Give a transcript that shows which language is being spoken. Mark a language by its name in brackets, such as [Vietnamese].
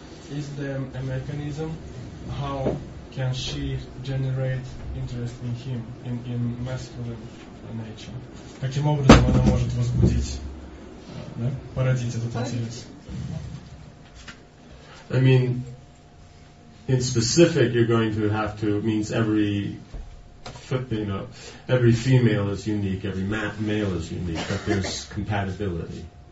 [English] Is there a mechanism how can she generate interest in him in masculine nature? [Russian] Каким образом она может возбудить, да, породить этот интерес? [English] I mean, in specific, you're going to have to means every, you know, every female is unique, every male is unique, but there's compatibility.